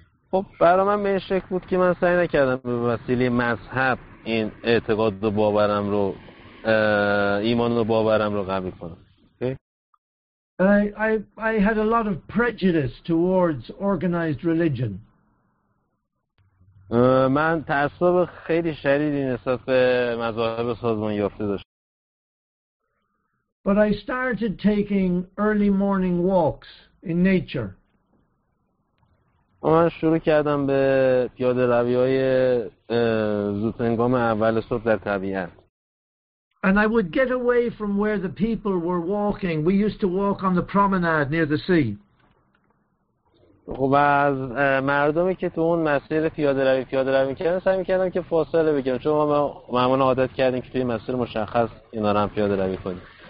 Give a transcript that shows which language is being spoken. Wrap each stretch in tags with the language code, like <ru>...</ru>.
<fa>خب برای من به این شکل بود که من سعی نکردم به وسیله مذهب این اعتقاد و باورم رو، ایمان و باورم رو قوی کنم.</fa> <en>I had a lot of prejudice towards organized religion.</en> <fa>من تعصب خیلی شدیدی نسبت به مذاهب سازمان یافته داشتم.</fa> <en>But I started taking early morning walks in nature.</en> <fa>من شروع کردم به پیاده روی های زودهنگام اول صبح در طبیعت.</fa> <en>And I would get away from where the people were walking. We used to walk on the promenade near the sea.</en> <fa>خب از مردمی که تو اون مسیر پیاده روی میکردن سعی میکردم که فاصله بگیرم، چون ما معمولا عادت کردیم که توی مسیر مشخص اینا رو هم پیاده روی کنیم.</fa>